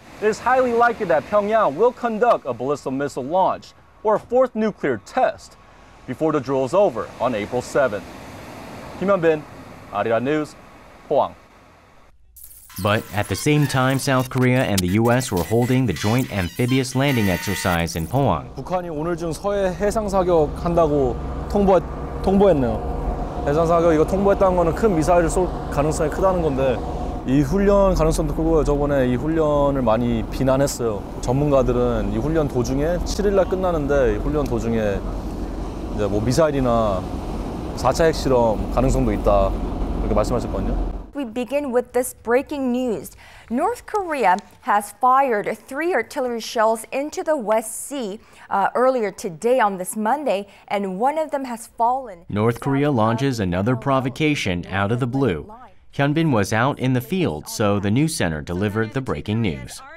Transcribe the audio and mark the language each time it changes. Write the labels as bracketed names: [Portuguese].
[English] It is highly likely that Pyongyang will conduct a ballistic missile launch or a fourth nuclear test before the drill is over on April 7th. Kim Hyun-bin, Arirang News, Pohang. But at the same time South Korea and the U.S. were holding the joint amphibious landing exercise in Pohang, [Korean] 북한이 오늘 중 서해 해상 사격 한다고 통보했네요. 해상 사격 이거 통보했다는 거는 큰 미사일을 쏠 가능성이 크다는 건데 이 훈련 가능성도 크고 저번에 이 훈련을 많이 비난했어요. 전문가들은 이 훈련 도중에 7일 날 끝나는데 이 훈련 도중에 이제 뭐 미사일이나 4차 핵실험 가능성도 있다. 이렇게 말씀하셨거든요. [English] We begin with this breaking news. North Korea has fired 3 artillery shells into the West Sea earlier today on this Monday, and one of them has fallen. North Korea launches another provocation out of the blue. Hyun-bin was out in the field, so the news center delivered the breaking news.